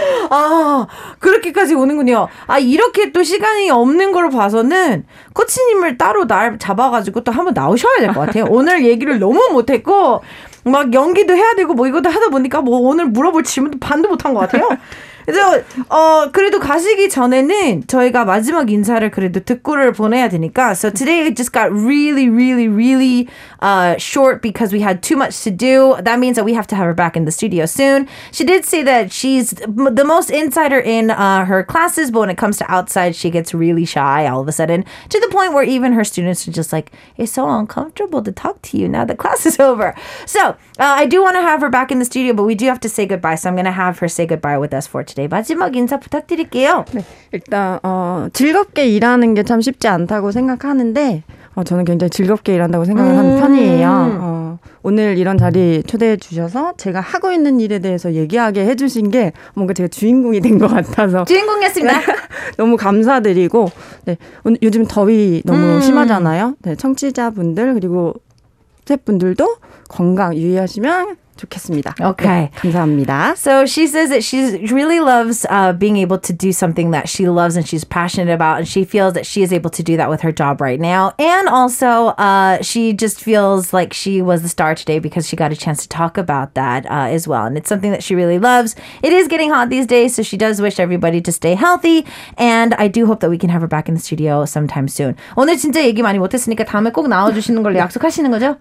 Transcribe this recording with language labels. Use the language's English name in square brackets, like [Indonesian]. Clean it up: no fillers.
[Korean] 아 그렇게까지 오는군요. 아 이렇게 또 시간이 없는 걸 봐서는 코치님을 따로 날 잡아가지고 또 한번 나오셔야 될 것 같아요. 오늘 얘기를 너무 못했고 막 연기도 해야 되고 뭐 이것도 하다 보니까 뭐 오늘 물어볼 질문도 반도 못한 것 같아요. 그래서 그래도 가시기 전에는 저희가 마지막 인사를 그래도 듣고를 보내야 되니까. [English] So today it just got really, really, really short because we had too much to do. That means that we have to have her back in the studio soon. She did say that she's the most insider in her classes, but when it comes to outside, she gets really shy all of a sudden to the point where even her students are just like, it's so uncomfortable to talk to you now the class is over. So I do want to have her back in the studio, but we do have to say goodbye. So I'm going to have her say goodbye with us for today. [Korean] 마지막 인사 부탁드릴게요. 네, 일단 즐겁게 일하는 게 참 쉽지 않다고 생각하는데 저는 굉장히 즐겁게 일한다고 생각을 하는 편이에요. 오늘 이런 자리 초대해 주셔서 제가 하고 있는 일에 대해서 얘기하게 해주신 게 뭔가 제가 주인공이 된 것 같아서 주인공이었습니다. 너무 감사드리고 네, 요즘 더위 너무 심하잖아요. 네, 청취자분들 그리고 스태프분들도 건강 유의하시면 좋겠습니다. [English] Okay. [Korean] 네, 감사합니다. [English] So she says that she really loves being able to do something that she loves and she's passionate about, and she feels that she is able to do that with her job right now. And also, she just feels like she was the star today because she got a chance to talk about that as well. And it's something that she really loves. It is getting hot these days, so she does wish everybody to stay healthy. And I do hope that we can have her back in the studio sometime soon. [Korean] 오늘 진짜 얘기 많이 못했으니까 다음에 꼭 나와주시는 걸로 약속하시는 거죠?